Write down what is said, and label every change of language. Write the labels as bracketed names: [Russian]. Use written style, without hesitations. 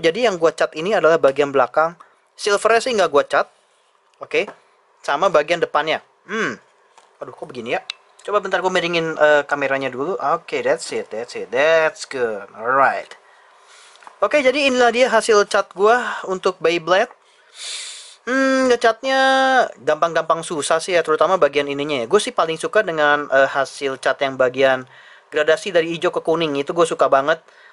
[Indonesian] Jadi yang gue cat ini adalah bagian belakang. Silvernya sih nggak gue cat. Okay, sama bagian depannya. Aduh, kok begini ya? Coba bentar gue miringin kameranya dulu. [English] Okay, that's it, that's it, that's good. Alright. [Indonesian] Oke, jadi inilah dia hasil cat gua untuk Beyblade. Ngecatnya gampang-gampang susah sih ya, terutama bagian ininya ya. Gua sih paling suka dengan hasil cat yang bagian gradasi dari hijau ke kuning, itu gua suka banget.